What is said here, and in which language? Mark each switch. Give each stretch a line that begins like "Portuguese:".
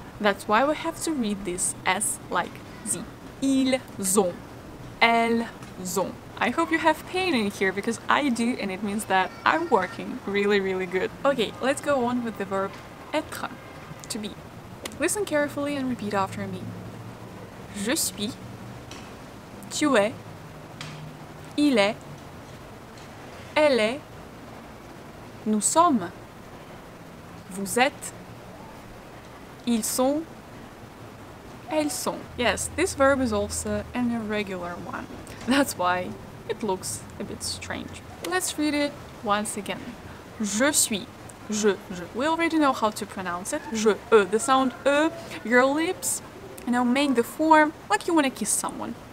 English: That's why we have to read this as like z.
French: Ils ont, elles ont.
English: I hope you have pain in here, because I do, and it means that I'm working really, really good. Okay, let's go on with the verb être, to be. Listen carefully and repeat after me.
French: Je suis, tu es, il est, elle est, nous sommes, vous êtes, ils sont, elles sont.
English: Yes, this verb is also an irregular one. That's why it looks a bit strange. Let's read it once again.
French: Je suis. Je, je.
English: We already know how to pronounce it.
French: Je, e.
English: The sound e. Your lips, you know, make the form like you want to kiss someone.